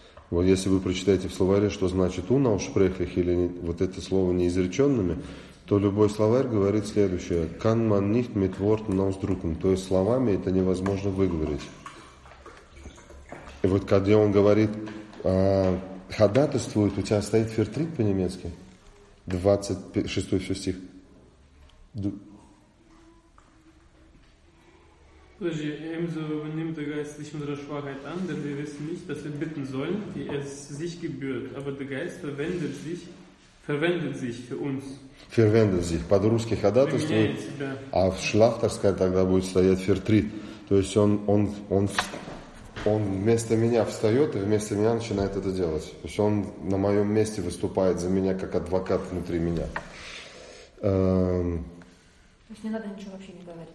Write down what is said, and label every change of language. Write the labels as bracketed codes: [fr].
[ru] Вот если вы прочитаете в словаре, что значит «унау шпрехлих» или вот это слово «неизреченными», то любой словарь говорит следующее: [de] «Kann man nicht mit Worten ausdrücken», [ru] то есть словами это невозможно выговорить. И вот когда он говорит, ходатайствует, у тебя стоит фертрит по-немецки, 26 стих. Подожди, [de] ebenso übernimmt der Geist sich unserer Schwachheit an, denn wir wissen nicht, dass wir bitten sollen, wie es sich gebührt, aber der Geist verwendet sich für uns. Verwendet sich. [ru] По-русски ходатайствует, а в шлахтерской тогда будет стоять фертрит. То есть он вместо меня встает и вместо меня начинает это делать. То есть он на моем месте выступает за меня, как адвокат внутри меня. То есть не надо ничего вообще не говорить.